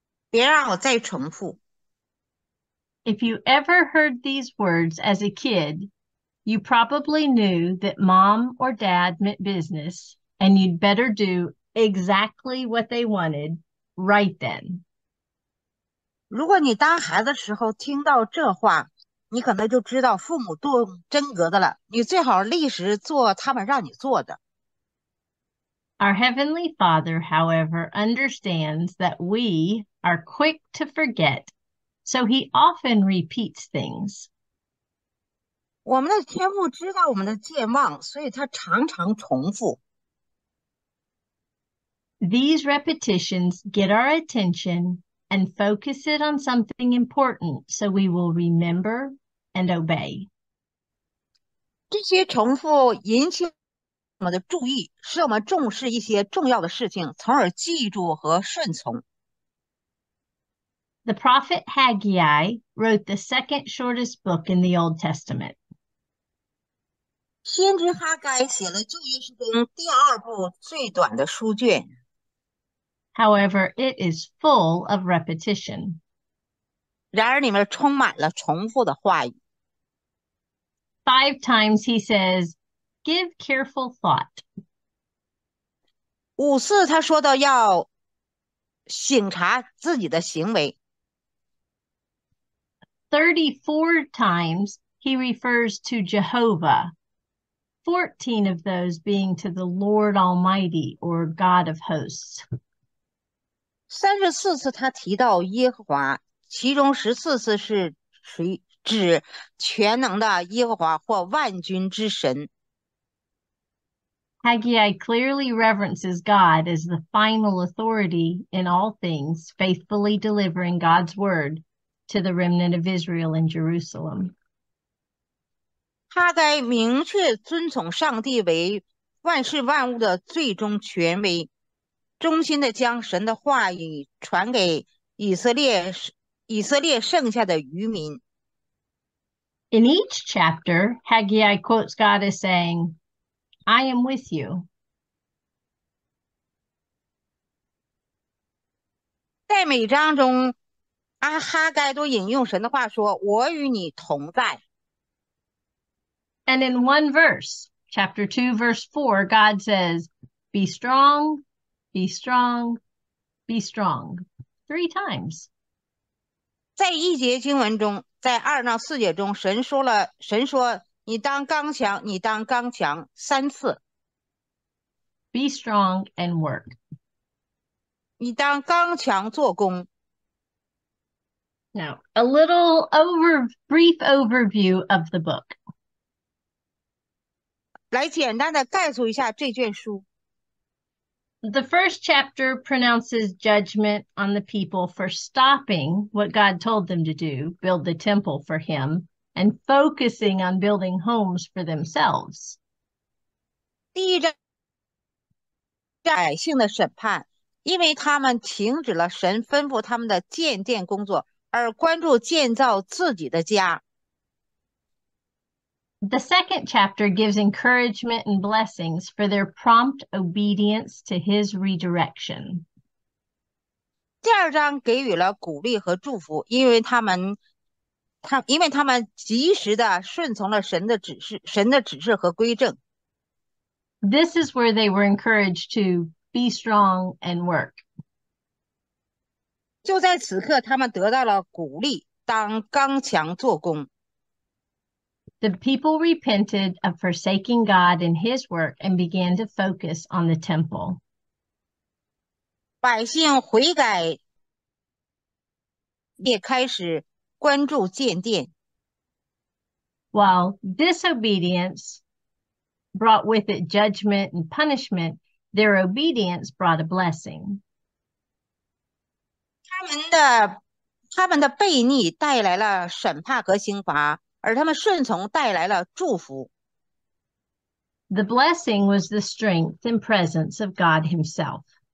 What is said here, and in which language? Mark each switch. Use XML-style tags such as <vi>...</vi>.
<zh>别让我再重复。</zh> <en>If you ever heard these words as a kid, you probably knew that mom or dad meant business. And you'd better do exactly what they wanted right then.</en> <zh>如果你当孩子时候听到这话，你可能就知道父母动真格的了。你最好立时做他们让你做的。</zh> <en>Our Heavenly Father, however, understands that we are quick to forget, so he often repeats things.</en> <zh>我们的天父知道我们的健忘，所以他常常重复。</zh> <en>These repetitions get our attention and focus it on something important so we will remember and obey.</en> <zh>这些重复引起我们的注意，使我们重视一些重要的事情，从而记住和顺从。</zh> <en>The prophet Haggai wrote the second shortest book in the Old Testament.</en> <zh>先知哈该写了旧约书中第二部最短的书卷。</zh> <en>However, it is full of repetition.</en> <zh>然而里面充满了重复的话语。</zh> <en>Five times he says, give careful thought.</en> <zh>五次他说到要省察自己的行为。</zh> <en>34 times he refers to Jehovah, 14 of those being to the Lord Almighty or God of hosts.</en> <zh>34次他提到耶和华，其中14次是指全能的耶和华或万军之神。</zh> <en>Haggai clearly references God as the final authority in all things, faithfully delivering God's word to the remnant of Israel in Jerusalem.</en> <zh>哈该明确尊崇上帝为万事万物的最终权威。忠心地将神的话语传给以色列剩下的余民。</zh> <en>In each chapter, Haggai quotes God as saying, I am with you.</en> <zh>在每章中，哈该都引用神的话说，我与你同在。</zh> <en>And in one verse, chapter 2, verse 4, God says, be strong. Be strong, be strong, three times.</en> <zh>在一节经文中，在二到四节中，神说，你当刚强，你当刚强，三次。</zh> <en>Be strong and work.</en> <zh>你当刚强做工。</zh> <en>Now, a little brief overview of the book.</en> <zh>来简单的概述一下这卷书。</zh> <en>The first chapter pronounces judgment on the people for stopping what God told them to do, build the temple for him, and focusing on building homes for themselves.</en> <zh>第一章，百姓的审判，因为他们停止了神吩咐他们的建殿工作，而关注建造自己的家。</zh> <en>The second chapter gives encouragement and blessings for their prompt obedience to his redirection.</en> <zh>第二章给予了鼓励和祝福，因为他们他因为他们及时的顺从了神的指示，神的指示和规正。</zh> <en>This is where they were encouraged to be strong and work.</en> <zh>就在此刻，他们得到了鼓励，当刚强做工。</zh> <en>The people repented of forsaking God and His work and began to focus on the temple.</en> <zh>百姓悔改，也开始关注建殿。</zh> <en>While disobedience brought with it judgment and punishment, their obedience brought a blessing.</en> <zh>他们的悖逆带来了审判和刑罚。而他们顺从带来了祝福。</zh> <en>The blessing was the strength and presence of God Himself.</en>